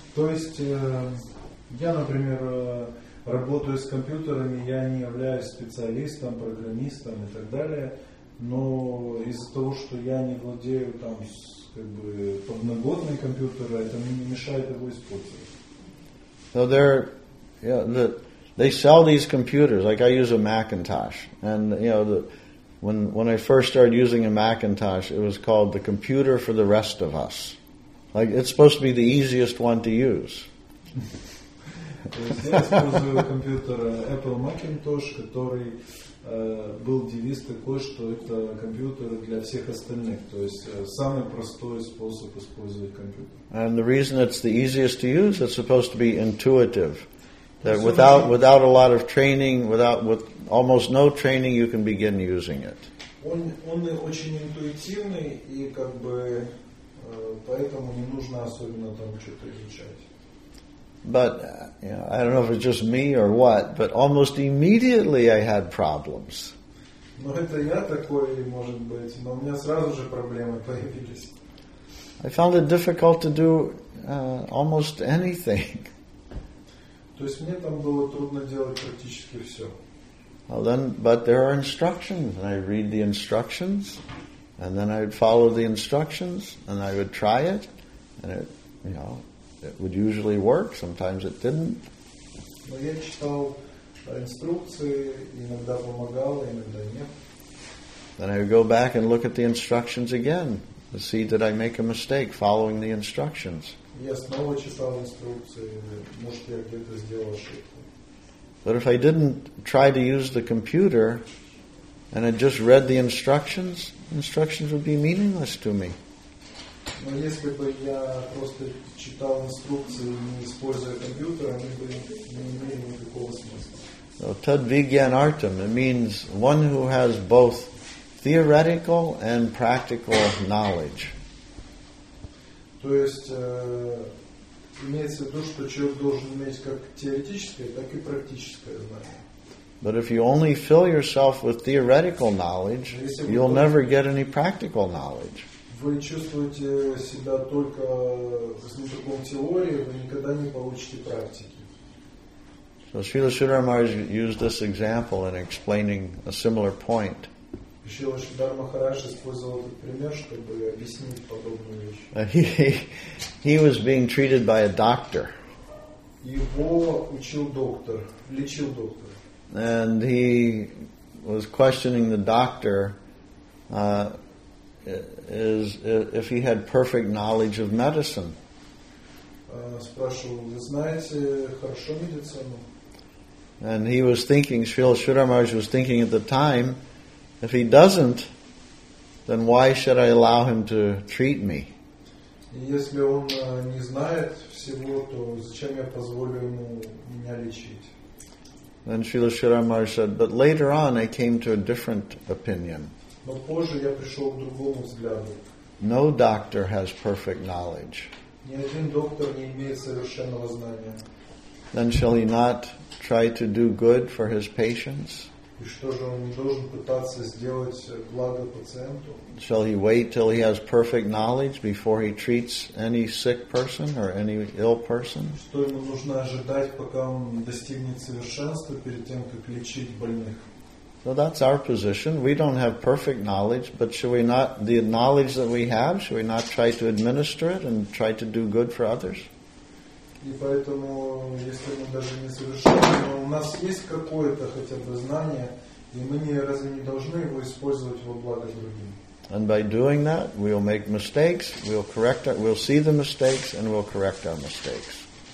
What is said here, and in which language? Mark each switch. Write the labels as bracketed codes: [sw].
[ru] То есть я, например, работаю с компьютерами, я не являюсь специалистом, программистом и так далее, но из-за того, что я не владею там как бы подноготный компьютер, это мне не мешает его использовать. [en] So they're, you know, they sell these computers. Like I use a Macintosh, and you know, when I first started using a Macintosh, it was called the computer for the rest of us. Like it's supposed to be the easiest one to use. [ru] Computer Apple Macintosh, который был девиз такой, что это компьютер для всех остальных, то есть самый простой способ использовать компьютер. [en] And the reason it's the easiest to use, it's supposed to be intuitive. That without a lot of training, with almost no training, you can begin using it. [ru] Он очень интуитивный и как бы поэтому не нужно особенно там что-то изучать. [en] But you know, I don't know if it's just me or what, but almost immediately I had problems. [ru] Ну это я такой, может быть, но у меня сразу же проблемы появились. [en] I found it difficult to do almost anything. [ru] То есть мне там было трудно делать практически все. [en] Well, then, but there are instructions, and I read the instructions, and then I would follow the instructions, and I would try it, and it, you know, it would usually work. Sometimes it didn't. [ru] Но я читал инструкции, иногда помогало, иногда нет. [en] Then I would go back and look at the instructions again to see did I make a mistake following the instructions. [ru] Я снова читал инструкции, может я где-то сделал ошибку. [en] But if I didn't try to use the computer and had just read the instructions, instructions would be meaningless to me. [ru] Но если бы я просто читал инструкции, не используя компьютер, они бы не имели никакого смысла. [sa] Tad vigyanartham, [en] it means one who has both theoretical and practical knowledge. [ru] То есть имеется в виду, что человек должен иметь как теоретическое, так и практическое знание. [en] But if you only fill yourself with theoretical knowledge, you'll never get any practical knowledge. [ru] Вы чувствуете себя только в таком теории, вы никогда не получите практики. [en] So Srila Sridhara Maharaj used this example in explaining a similar point. [ru] Srila Sridhara Maharaj использовал этот пример, чтобы объяснить подобную вещь. [en] He was being treated by a doctor. [ru] Его учил доктор, лечил доктор. [en] And he was questioning the doctor if he had perfect knowledge of medicine. [ru] Спрашивал, вы знаете хорошо медицину? [en] And he was thinking, Srila Sridhara Maharaj was thinking at the time, if he doesn't, then why should I allow him to treat me? [ru] Если он не знает всего, то зачем я позволю ему меня лечить? [en] Then Srila Sridhara Maharaj said, but later on I came to a different opinion. [ru] Но позже я пришел к другому взгляду. [en] No doctor has perfect knowledge. [ru] Ни один доктор не имеет совершенного знания. [en] Then shall he not try to do good for his patients? [ru] И что же он не должен пытаться сделать благо пациенту? [en] Shall he wait till he has perfect knowledge before he treats any sick person or any ill person? [ru] Что ему нужно ожидать, пока он достигнет совершенства перед тем, как лечить больных? [en] So that's our position. We don't have perfect knowledge, but should we not, the knowledge that we have, should we not try to administer it and try to do good for others? [ru] И поэтому, если мы даже не совершенны, но у нас есть какое-то хотя бы знание, и мы не, разве не должны его использовать во благо другим? [en] And by doing that, we'll make mistakes, we'll see the mistakes, and we'll correct our mistakes.